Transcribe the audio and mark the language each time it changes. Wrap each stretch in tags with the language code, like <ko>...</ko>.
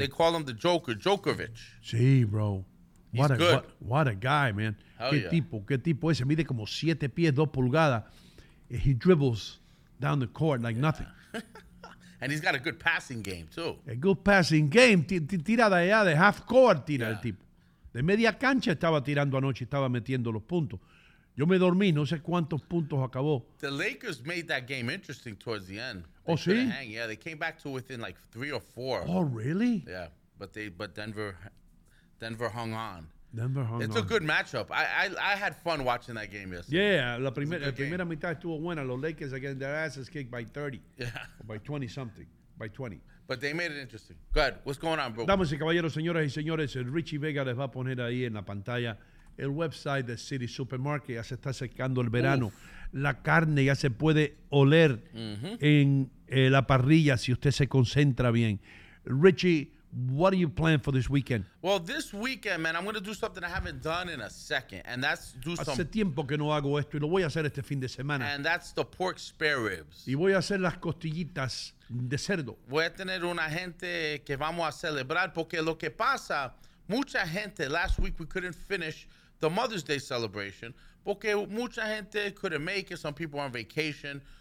<en>They call him the Joker, Djokovic. Sí, bro. What a guy, man. Hell</en> <es>qué</es> <en>yeah.</en> <es>Tipo, qué tipo ese. Mide como 7 pies, 2 pulgadas.</es> <en>He dribbles down the court like nothing. And he's got a good passing game, too. A good passing game.</en> <es>Tira de allá, de half court tira el tipo. De media cancha estaba tirando anoche, estaba metiendo los puntos. Yo me dormí, no sé cuántos puntos acabó.</es> <en>The Lakers made that game interesting towards the end.</en> <es>Oh, sí?</es> <en>Yeah, they came back to within like 3 or 4. Oh, really? Yeah, but Denver hung on. Denver hung on. It's a good matchup. I had fun watching that game yesterday.</en> <es>Yeah, la primera mitad estuvo buena.</es> <en>Los Lakers are getting their asses kicked by 30. Yeah. Or by 20 something. By 20. But they made it interesting. Good. What's going on, bro?</en> <es>Damas y caballeros, señoras y señores, Richie Vega les va a poner ahí en la pantalla. El website de City Supermarket, ya se está acercando el verano. Uf. La carne ya se puede oler en la parrilla si usted se concentra bien.</es> <en>Richie, what are you planning for this weekend? Well, this weekend, man, I'm going to do something I haven't done in a second, and that's</en> <es>hace tiempo que no hago esto y lo voy a hacer este fin de semana.</es> <en>And that's the pork spare ribs.</en> <es>Y voy a hacer las costillitas de cerdo. Voy a tener una gente que vamos a celebrar porque lo que pasa, mucha gente,</es> <en>last week we couldn't finish the Mother's Day celebration,</en> <es>porque mucha gente</es> <en>couldn't make it, some people are on vacation.</en>